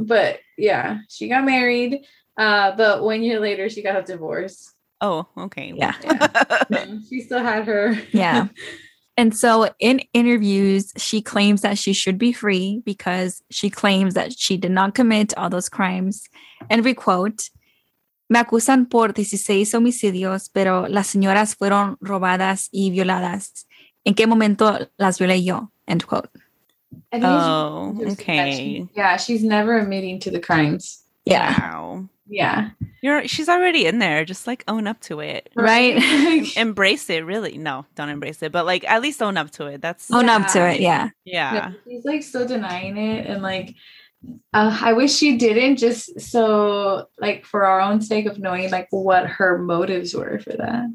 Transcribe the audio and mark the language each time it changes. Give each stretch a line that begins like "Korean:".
English: But yeah, she got married. But 1 year later, she got a divorce. Oh, okay. Yeah. She still had her. Yeah. And so in interviews, she claims that she should be free because she claims that she did not commit all those crimes. And we quote,
Spanish: me acusan por 16 homicidios, pero las señoras fueron robadas y violadas. ¿En qué momento las violé yo?
English: End quote. Oh, okay. She's never admitting to the crimes. Yeah. Wow. Yeah. She's already in there. Just like own up to it. Right. Embrace it, really. No, don't embrace it. But like at least own up to it. That's own up to it. Yeah. Yeah. No, she's like still denying it. And like, I wish she didn't, just so like for our own sake of knowing like what her motives were for that.